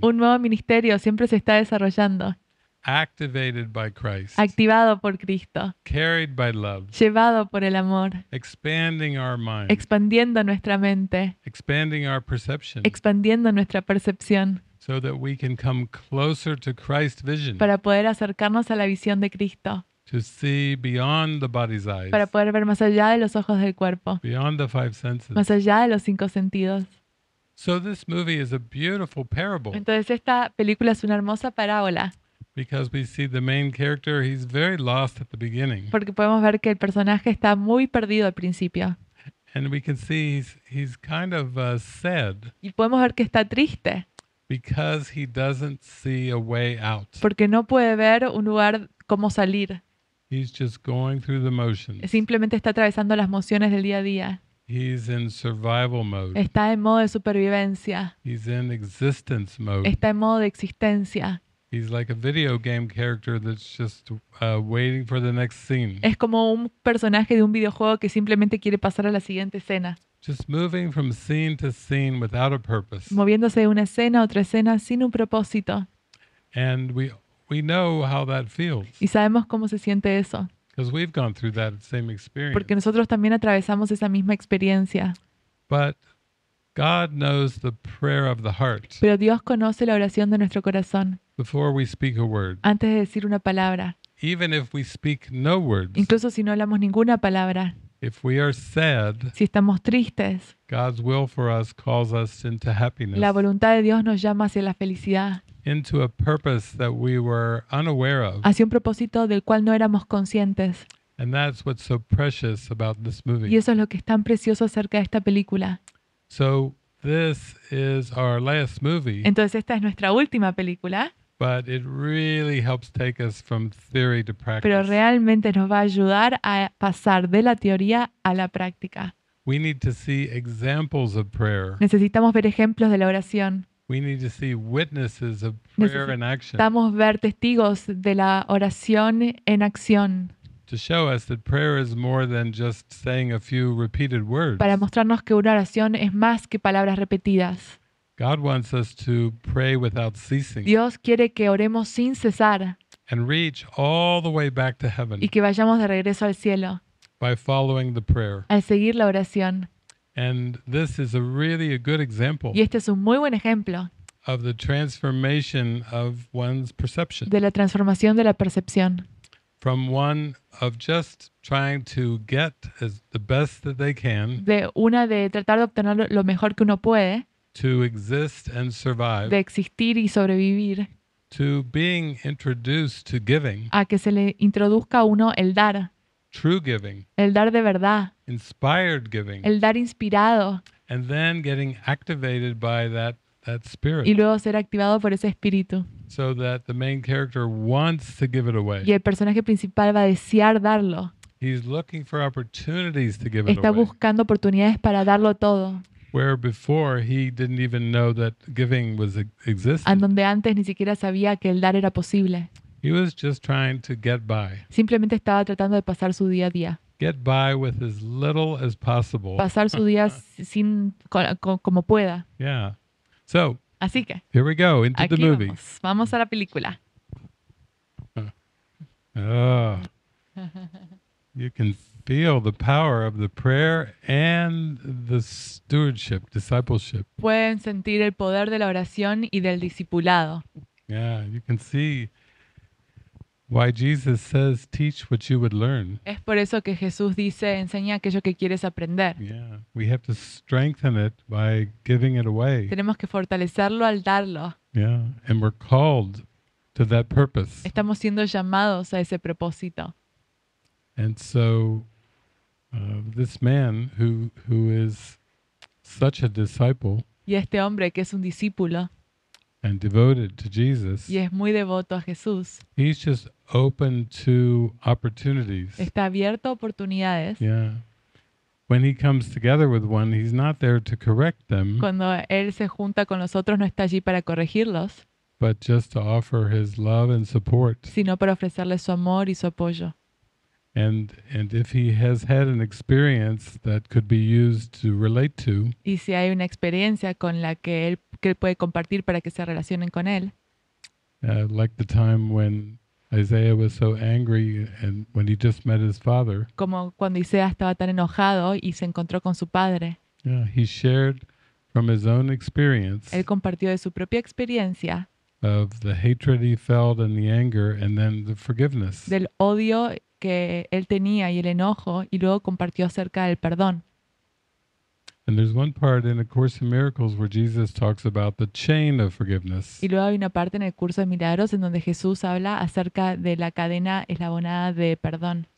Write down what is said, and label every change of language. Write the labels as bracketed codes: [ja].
[es] Un nuevo ministerio siempre se está desarrollando. [en] Activated by Christ. [es] Activado por Cristo. [en] Carried by love. [es] Llevado por el amor. [en] Expanding our mind. [es] Expandiendo nuestra mente. [en] Expanding our perception. [es] Expandiendo nuestra percepción. [en] So that we can come closer to Christ's vision. [es] Para poder acercarnos a la visión de Cristo. [en] To see beyond the body's eyes. [es] Para poder ver más allá de los ojos del cuerpo. [en] Beyond the five senses. [es] Más allá de los cinco sentidos. [en] So this movie is a beautiful parable. [es] Entonces esta película es una hermosa parábola. [en] Because we see the main character, he's very lost at the beginning. [es] Porque podemos ver que el personaje está muy perdido al principio. [en] And we can see he's kind of sad. [es] Y podemos ver que está triste. [en] Because he doesn't see a way out. [es] Porque no puede ver un lugar cómo salir. [en] He's just going through the motions. [es] Simplemente está atravesando las emociones del día a día. [en] He's in survival mode. [es] Está en modo de supervivencia. [en] He's in existence mode. [es] Está en modo de existencia. [en] He's like a video game character that's just waiting for the next scene. [es] Es como un personaje de un videojuego que simplemente quiere pasar a la siguiente escena. [en] Just moving from scene to scene without a purpose. [es] Moviéndose de una escena a otra escena sin un propósito. [en] And we know how that feels. [es] Y sabemos cómo se siente eso. [en] Because we've gone through that same experience. [es] Porque nosotros también atravesamos esa misma experiencia. [en] But God knows the prayer of the heart. [es] Pero Dios conoce la oración de nuestro corazón. [en] Before we speak a word. [es] Antes de decir una palabra. [en] Even if we speak no words. [es] Incluso si no hablamos ninguna palabra. [en] If we are sad. [es] Si estamos tristes. [en] God's will for us calls us into happiness. [es] La voluntad de Dios nos llama hacia la felicidad. [en] Into a purpose that we were unaware of. [es] Hacia un propósito del cual no éramos conscientes. [en] And that's what's so precious about this movie. [es] Y eso es lo que es tan precioso acerca de esta película. [en] So this is our last movie. [es] Entonces esta es nuestra última película. [en] But it really helps take us from theory to practice. [es] Pero realmente nos va a ayudar a pasar de la teoría a la práctica. [en] We need to see examples of prayer. [es] Necesitamos ver ejemplos de la oración. [en] We need to see witnesses of prayer in action. [es] Necesitamos ver testigos de la oración en acción. [en] To show us that prayer is more than just saying a few repeated words. [es] Para mostrarnos que una oración es más que palabras repetidas. [en] God wants us to pray without ceasing. [es] Dios quiere que oremos sin cesar. [en] And reach all the way back to heaven. [es] Y que vayamos de regreso al cielo. [en] By following the prayer. [es] Al seguir la oración. [en] And this is a really a good example. [es] Y este es un muy buen ejemplo. [en] Of the transformation of one's perception. [es] De la transformación de la percepción. [en] From one of just trying to get as the best that they can. [es] De una de tratar de obtener lo mejor que uno puede. [en] To exist and survive. [es] De existir y sobrevivir. [en] To being introduced to giving. [es] A que se le introduzca a uno el dar. [en] True giving. [es] El dar de verdad. [en] Inspired giving. [es] El dar inspirado. [en] And then getting activated by that spirit. [es] Y luego ser activado por ese espíritu. [en] So that the main character wants to give it away. [es] Y el personaje principal va a desear darlo. [en] He's looking for opportunities to give it away. [es] Está buscando oportunidades para darlo todo. [en] Where before he didn't even know that giving was existed. [es] En donde antes ni siquiera sabía que el dar era posible. [en] He was just trying to get by. [es] Simplemente estaba tratando de pasar su día a día. [en] Get by with as little as possible. [es] Pasar su día sin como pueda. [en] Yeah. So, [es] así que, [en] here we go, into [es] aquí [en] the movie. [es] Vamos a la película. [en] You can feel the power of the prayer and the stewardship, discipleship. [es] Pueden sentir el poder de la oración y del discipulado. [en] Yeah, you can see why Jesus says, teach what you would learn. [es] Es por eso que Jesús dice, enseña aquello que quieres aprender. [en] Yeah, we have to strengthen it by giving it away. [es] Tenemos que fortalecerlo al darlo. [en] Yeah, and we're called to that purpose. [es] Estamos siendo llamados a ese propósito. [en] And so this man who is such a disciple, [es] y este hombre que es un discípulo, [en] and devoted to Jesus, [es] y es muy devoto a Jesús, [en] he's just open to opportunities. [es] Está abierto a oportunidades. [en] Yeah. When he comes together with one, he's not there to correct them. [es] Cuando él se junta con los otros, no está allí para corregirlos. [en] But just to offer his love and support. [es] Sino para ofrecerle su amor y su apoyo. [en] And if he has had an experience that could be used to relate to. [es] Y si hay una experiencia con la que él puede compartir para que se relacionen con él. [en] Like the time when Isaiah was so angry and when he just met his father. [es] Como cuando Isaías estaba tan enojado y se encontró con su padre. [en] Yeah, he shared from his own experience. [es] Él compartió de su propia experiencia. [en] Of the hatred he felt and the anger and then the forgiveness. [es] Del odio que él tenía y el enojo y luego compartió acerca del perdón. [en] And there's one part in A Course in Miracles where Jesus talks about the chain of forgiveness. [es] Y luego hay una parte en el curso de milagros en donde Jesús habla acerca de la cadena eslabonada de perdón.